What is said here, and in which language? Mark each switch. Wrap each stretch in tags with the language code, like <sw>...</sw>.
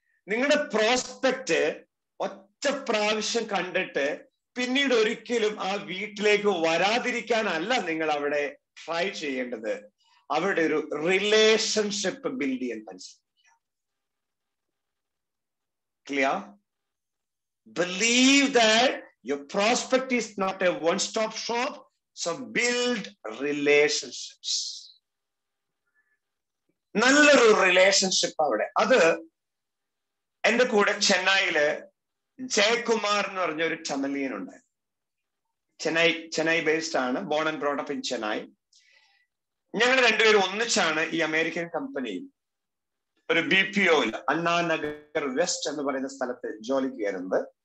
<ml>നിങ്ങളുടെ പ്രോസ്പെക്ട് ഒറ്റ പ്രാവശ്യം കണ്ടിട്ട് പിന്നീട് ഒരിക്കലും ആ വീട്ടിലേക്ക് വരാതിരിക്കാനല്ല നിങ്ങൾ അവിടെ ട്രൈ ചെയ്യേണ്ടത്, അവിടെ ഒരു റിലേഷൻഷിപ്പ് ബിൽഡ് ചെയ്യാൻ മനസ്സിലാക്കി.</ml> <en>Clear? Believe that your prospect is not a one-stop shop, so build relationships.</en> <ml>നല്ലൊരു relationship അവിടെ. അത് എന്റെ കൂടെ ചെന്നൈയിലെ ജയകുമാർ എന്ന് പറഞ്ഞ ഒരു ചമലിയൻ ഉണ്ട്. ചെന്നൈ ബേസ്ഡ് ആണ്,</ml> <en>Born and brought up in Chennai.</en> <ml>ഞങ്ങൾ രണ്ടുപേരും ഒന്നിച്ചാണ് ഈ അമേരിക്കൻ കമ്പനിയിൽ ഒരു B P O Anna Nagar west എന്ന് പറയുന്ന സ്ഥലത്ത് ജോലി ചെയ്യുന്നത്.</ml>